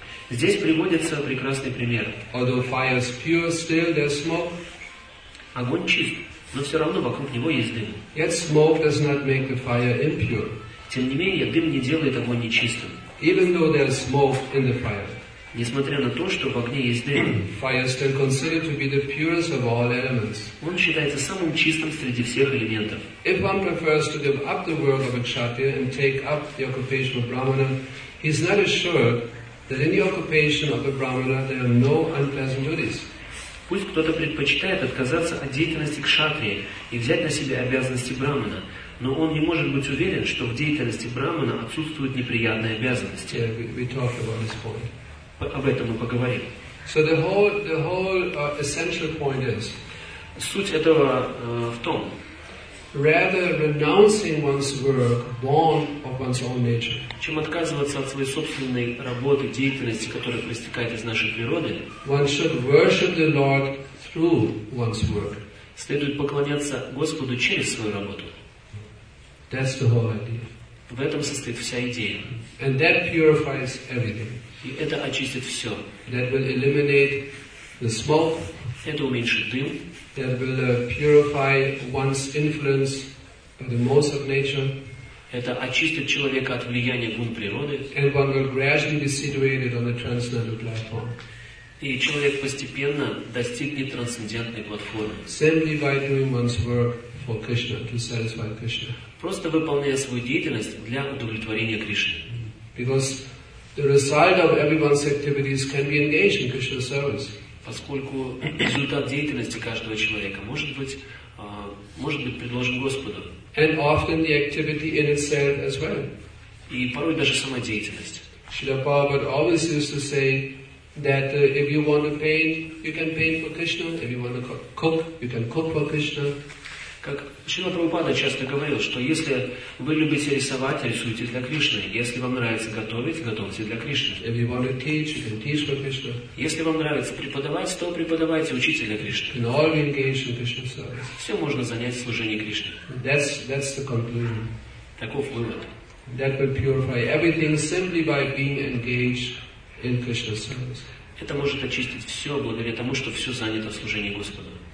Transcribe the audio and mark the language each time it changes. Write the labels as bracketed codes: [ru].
[ru] Здесь приводится прекрасный пример. [en] Although fire is pure, still there's smoke. [ru] Огонь чист, но все равно вокруг него есть дым. [en] Yet smoke does not make the fire impure. [ru] Тем не менее, дым не делает огонь нечистым. [en] Even though there's smoke in the fire. [ru] Несмотря на то, что в огне есть дым, [en] fire is still considered to be the purest of all elements. [ru] Он считается самым чистым среди всех элементов. [en] If one prefers to give up the world of a kshatriya and take up the occupation of brahmana, he is not assured that in the occupation of a brahmana there are no unpleasant duties. [ru] Пусть кто-то предпочитает отказаться от деятельности кшатрии и взять на себя обязанности брахмана. Но он не может быть уверен, что в деятельности брахмана отсутствуют неприятные обязанности. [en] Yeah, we talked about this point. [ru] Об этом мы поговорим. [en] So the whole essential point is, [ru] суть этого в том, [en] rather renouncing one's work born of one's own nature, [ru] чем отказываться от своей собственной работы, деятельности, которая проистекает из нашей природы, [en] one should worship the Lord through one's work. [ru] Следует поклоняться Господу через свою работу. [en] That's the whole idea. [ru] В этом состоит вся идея. [en] And that purifies everything. [ru] И это очистит все. [en] That will eliminate the smoke. [ru] Это уменьшит дым. [en] That will purify one's influence by the most of nature. [ru] Это очистит человека от влияния гун природы. [en] And one will gradually be situated on the transcendental platform. [ru] И человек постепенно достигнет трансцендентной платформы. [en] Simply by doing one's work for Krishna, to satisfy Krishna. [ru] Просто выполняя свою деятельность для удовлетворения Кришны. [en] Because the result of everyone's activities can be engaged in Krishna's service. [ru] Поскольку результат деятельности каждого человека может быть предложен Господу. [en] And often the activity in itself as well. [ru] И порой даже сама деятельность. [en] Srila Prabhupada always used to say that if you want to paint, you can paint for Krishna. If you want to cook, you can cook for Krishna. [ru] Как Шрила Прабхупада часто говорил, что если вы любите рисовать, рисуйте для Кришны. Если вам нравится готовить, готовьте для Кришны. [en] If you want to teach, you can teach for Krishna. [ru] Если вам нравится преподавать, то преподавайте, учите для Кришны. [en] And all we engage in Krishna service. [ru] Все можно занять в служении Кришне. [en] That's the conclusion. [ru] Таков вывод. [en] That will purify everything simply by being engaged in Krishna service. [ru] Это может очистить все благодаря тому, что все занято в служении Господу.